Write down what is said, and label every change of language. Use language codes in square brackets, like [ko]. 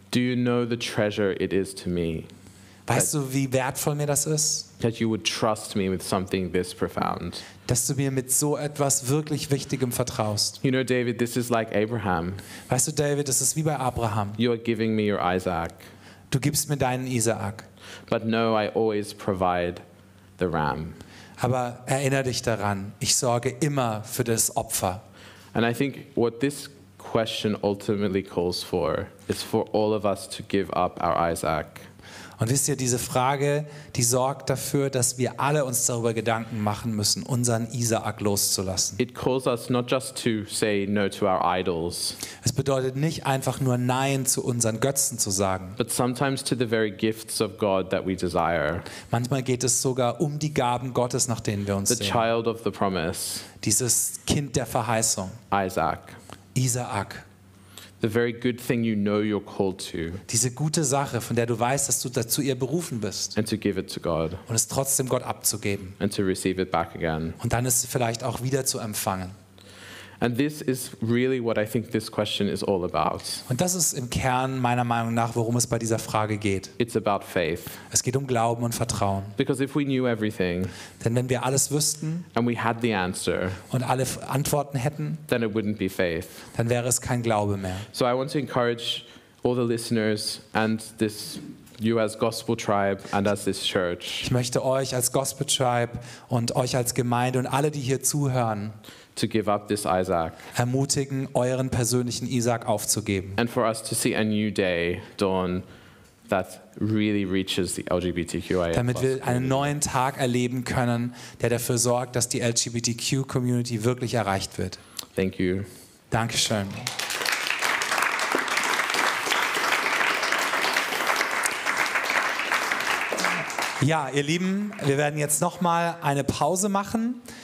[en] Do you know the treasure it is to me? [de] Weißt du, wie wertvoll mir das ist? [en] That you would trust me with something this profound. [de] Dass du mir mit so etwas wirklich Wichtigem vertraust. [en] You know, David, this is like Abraham. [de] Weißt du, David, das ist wie bei Abraham. [en] You are giving me your Isaac. [de] Du gibst mir deinen Isaak. [en] But no, I always provide the ram. [de] Aber erinnere dich daran, ich sorge immer für das Opfer. [en] And I think what this question ultimately calls for is for all of us to give up our Isaac. [de] Und wisst ihr, diese Frage, die sorgt dafür, dass wir alle uns darüber Gedanken machen müssen, unseren Isaak loszulassen. [en] It calls us not just to say no to our idols. [de] Es bedeutet nicht einfach nur Nein zu unseren Götzen zu sagen. [en] But sometimes to the very gifts of God that we desire. [de] Manchmal geht es sogar um die Gaben Gottes, nach denen wir uns sehen. [en] The child of the promise. [de] Dieses Kind der Verheißung. [en] Isaac. [de] Isaak. [en] The very good thing you know you're called to. [de] Diese gute Sache, von der du weißt, dass du dazu ihr berufen bist. [en] And to give it to God. [de] Und es trotzdem Gott abzugeben. [en] And to receive it back again. [de] Und dann ist es vielleicht auch wieder zu empfangen. [en] And this is really what I think this question is all about. [de] Und das ist im Kern meiner Meinung nach, worum es bei dieser Frage geht. [en] It's about faith. [de] Es geht um Glauben und Vertrauen. [en] Because if we knew everything, [de] denn wenn wir alles wüssten, [en] and we had the answer, [de] und alle Antworten hätten, [en] then it wouldn't be faith. [de] Dann wäre es kein Glaube mehr. [en] So I want to encourage all the listeners and this you as Gospel Tribe and as this church. [de] Ich möchte euch als Gospel Tribe und euch als Gemeinde und alle, die hier zuhören, [en] to give up this Isaac. [de] Ermutigen, euren persönlichen Isaak aufzugeben. [en] And for us to see a new day dawn that really reaches the LGBTQIA+. [de] Damit wir einen neuen Tag erleben können, der dafür sorgt, dass die LGBTQ Community wirklich erreicht wird. [en] Thank you. [de] Dankeschön. Ja, ihr Lieben, wir werden jetzt noch mal eine Pause machen.